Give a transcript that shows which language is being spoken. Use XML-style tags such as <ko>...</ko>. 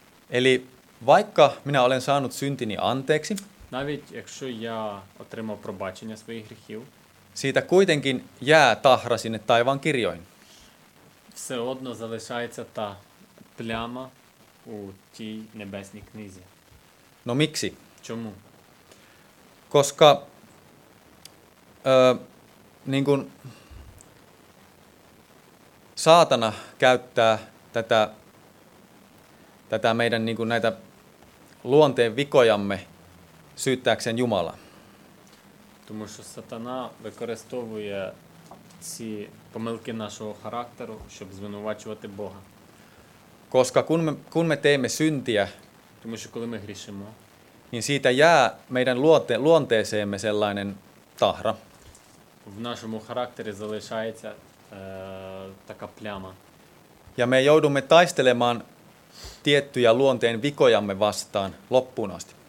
<fi>Eli vaikka minä olen saanut syntini anteeksi,</fi> <uk>навіть якщо я отримав пробачення своїх гріхів,</uk> <fi>siitä kuitenkin jää tahra sinne taivaan kirjoihin.</fi> <uk>Все одно залишається та пляма у тій небесній книзі.</uk> <fi>No miksi?</fi> <uk>Чому?</uk> <fi>Koska niin kuin saatana käyttää tätä meidän niin kuin näitä luonteen vikojamme syyttääkseen Jumalaa.</fi> <uk>Тому що сатана використовує ці помилки нашого характеру, щоб звинувачувати Бога.</uk> <fi>Koska kun me teemme syntiä,</fi> <uk>тому що коли ми грішимо,</uk> <fi>niin siitä jää meidän luonteeseemme sellainen tahra.</fi> <uk>В нашому характері залишається така пляма.</uk> <fi>Ja me joudumme taistelemaan tiettyjä luonteen vikojamme vastaan loppuun asti.</fi>